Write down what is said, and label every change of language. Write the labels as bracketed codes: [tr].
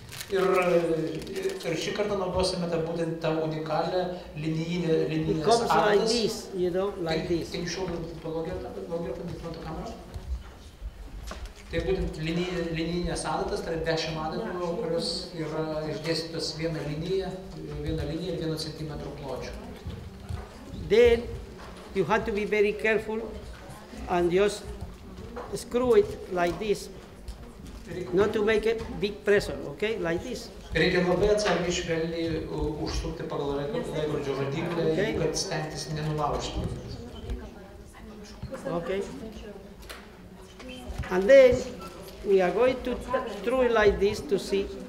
[lt] Ir šį kartą naudosime tą būtent tą unikalią linijinę adatą. [en] It comes [lt] adatas. [en] Like this, you know, like this. Can you show the logarithmic camera? [lt] Tai būtent linijinės adatas, tai 10 adatų, kurios yra išdėstytas viena linija ir 1 centimetro pločio. [en] Then you have to be very careful and just screw it like this. Not to make a big pressure, okay? Like this. [lt] Reikia labai atsargiai švelniai užsukti pagal laikrodžio rodiklį, kad stengtis nenulaužti. [en] Okay. And then we are going to screw it like this to see.